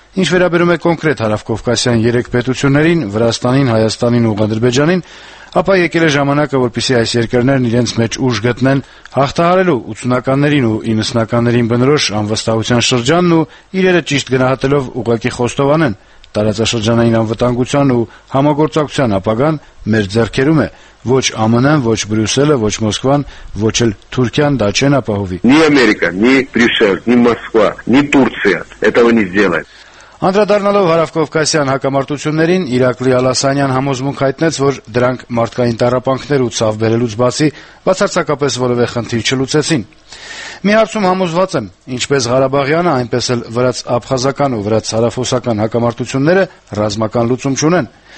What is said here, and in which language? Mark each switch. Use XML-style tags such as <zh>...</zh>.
<hy>Ինչ վերաբերում է կոնկրետ Հարավկովկասյան երեք պետություններին, Վրաստանին, Հայաստանին ու Ադրբեջանին, ապա եկել է ժամանակը, որպեսզի այս երկրներն իրենց մեջ ուժ գտնեն հաղթահարելու 80-ականներին ու 90-ականներին բնորոշ անվստահության շրջանն ու իրերը ճիշտ գնահատելով ուղղակի խոստովանեն տարածաշրջանային անվտանգության ու համագործակցության ապագան մեր ձեռքերում է. Ոչ ԱՄՆ-ն, ոչ Բրյուսելը, ոչ Մոսկվան, ոչ էլ Թուրքիան դա չեն ապահովի.</hy> <ru>Ни Америка, ни Брюссель, ни Москва, ни Турция этого не сделает.</ru> <hy>Անդրադառնալով Հարավկովկասյան հակամարտություններին, Իրակլի Ալասանյան համոզմունք հայտնեց, որ դրանք մարդկային տառապանքներ ու ցավ բերելուց բացի բացարձակապես որևէ խնդիր չլուծեցին։ Մի հարցում համոզված եմ, ինչպես Ղարաբաղյանը, այնպես էլ վրաց աբխազական ու վրաց հարավոսական հակամարտությունները ռազմական լուծում չունեն։</hy>